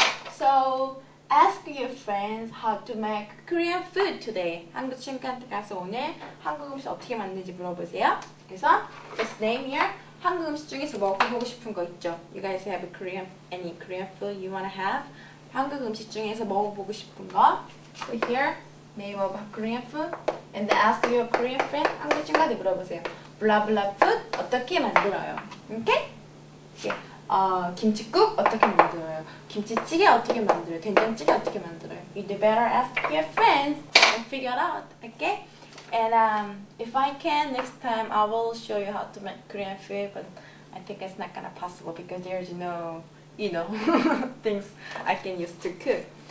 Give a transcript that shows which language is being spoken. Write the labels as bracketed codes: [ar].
[en] So, ask your friends how to make Korean food today. [ko] 한국 친구한테 가서 오늘 한국 음식 어떻게 만드는지 물어보세요. 그래서, [en] just name here. [ko] 한국 음식 중에서 먹어보고 싶은 거 있죠? [en] You guys have a Korean, any Korean food you wanna have? [ko] 한국 음식 중에서 먹어보고 싶은 거? [en] Put here, name of Korean food. And then ask your Korean friend, [ko] 한국 친구한테 물어보세요. [en] Blah blah food, [ko] 어떻게 만들어요? [en] Okay? Okay. [ko] 김치국, 어떻게 만들어요? 김치찌개, 어떻게 만들어요? 된장찌개, 어떻게 만들어요? [en] You'd better ask your friends and figure it out, okay? And if I can, next time I will show you how to make Korean food, but I think it's not gonna possible because there's no, you know, things I can use to cook.